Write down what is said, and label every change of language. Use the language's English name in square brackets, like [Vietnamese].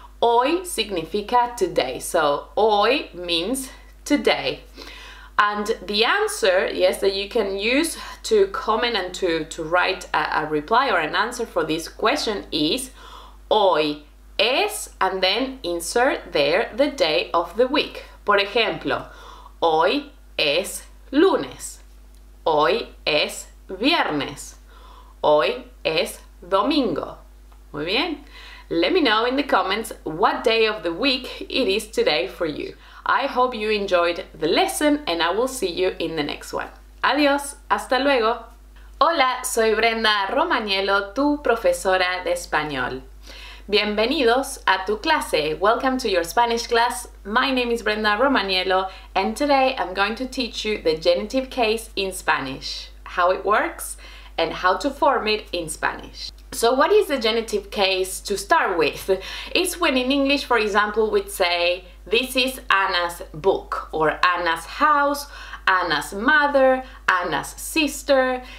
[English] Hoy significa today. So hoy means today. And the answer, yes, that you can use to comment and to write a reply or an answer for this question is hoy es, and then insert there the day of the week. [Spanish] Por ejemplo, hoy es lunes, hoy es viernes, hoy es domingo. Muy bien. [English] Let me know in the comments what day of the week it is today for you. I hope you enjoyed the lesson and I will see you in the next one. [Spanish] Adiós, hasta luego. Hola, soy Brenda Romagnello, tu profesora de español. Bienvenidos a tu clase. Welcome to your Spanish class. [English] My name is Brenda Romagnello and today I'm going to teach you the genitive case in Spanish, how it works and how to form it in Spanish. So what is the genitive case to start with? It's when in English, for example, we'd say, this is Anna's book, or Anna's house, Anna's mother, Anna's sister.